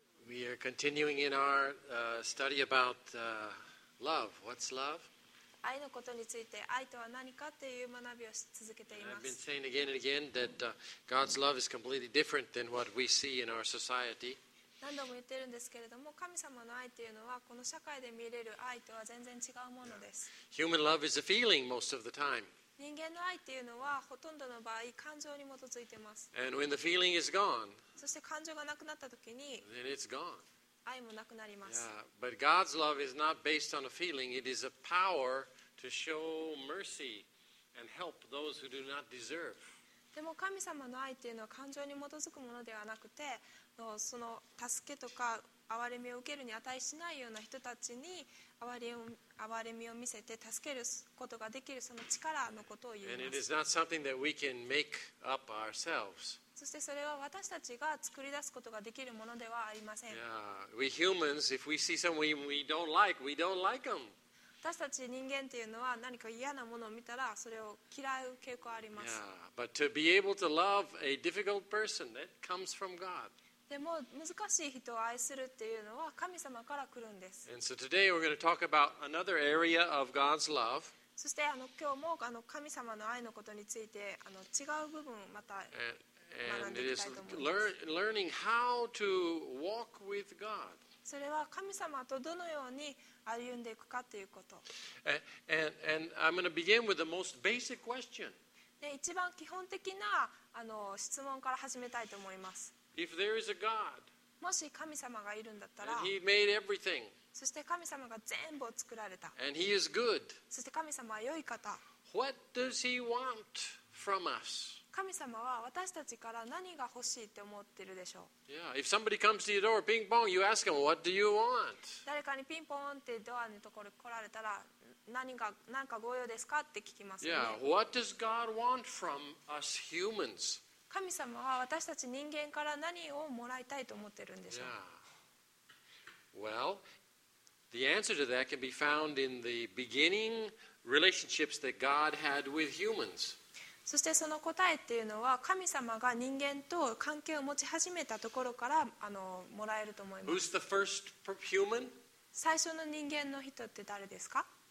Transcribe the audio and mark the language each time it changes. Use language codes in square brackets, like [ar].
[en] We're continuing in our study about love. What's love? [ja] 愛のことについて、愛とは何かっていう学びを続けています。 [en] I've been saying again and again that God's love is completely different than what we see in our society. [ja] 何度も言ってるんですけれども、神様の愛っていうのは、この社会で見れる愛とは全然違うものです。 [en] Human love is a feeling most of the time. [ja] 人間の愛っていうのは、ほとんどの場合、感情に基づいてます。 [en] And when the feeling is gone, [ja] そして感情がなくなったときに、 [en] then it's gone. [ja] 愛もなくなります。 [en] Yeah, but God's love is not based on a feeling. It is a power to show mercy and help those who do not deserve. [ja] でも神様の愛というのは感情に基づくものではなくて、その助けとか憐れみを受けるに値しないような人たちに憐れみを見せて助けることができるその力のことを言います。 [en] And it is not something that we can make up ourselves. [ja] そしてそれは私たちが作り出すことができるものではありません。 [en] Yeah. We humans, if we see something we don't like, we don't like them. [ja] 私たち人間というのは何か嫌なものを見たらそれを嫌う傾向あります。 [en] Yeah. But to be able to love a difficult person, that comes from God. [ja] でも難しい人を愛するっていうのは神様から来るんです。 [en] And so today we're going to talk about another area of God's love. [ja] そして今日も神様の愛のことについて違う部分をまた学んでいきたいと思います。 [en] And it is learning how to walk with God. [ja] それは神様とどのように歩んでいくかということ。 [en] And I'm going to begin with the most basic question. [ja] 一番基本的な質問から始めたいと思います。 [en] If there is a God, [ja] もし神様がいるんだったら、 [en] and He made everything, [ja] そして神様が全部を作られた、 [en] and He is good, [ja] そして神様は良い方、 [en] what does He want from us? [ja] 神様は私たちから何が欲しいって思ってるでしょう。 [en] Yeah, if somebody comes to your door, ping pong, you ask them, what do you want? [ja] 誰かにピンポンってドアのところに来られたら、何かご用ですかって聞きますね。 [en] Yeah, what does God want from us humans? [ja] 神様は私たち人間から何をもらいたいと思ってるんでしょう。 [en] Yeah. Well, the answer to that can be found in the beginning relationships that God had with humans. [ja] そしてその答えっていうのは神様が人間と関係を持ち始めたところからもらえると思います。 [en] Who's the first human? [ja] 最初の人間の人って誰ですか？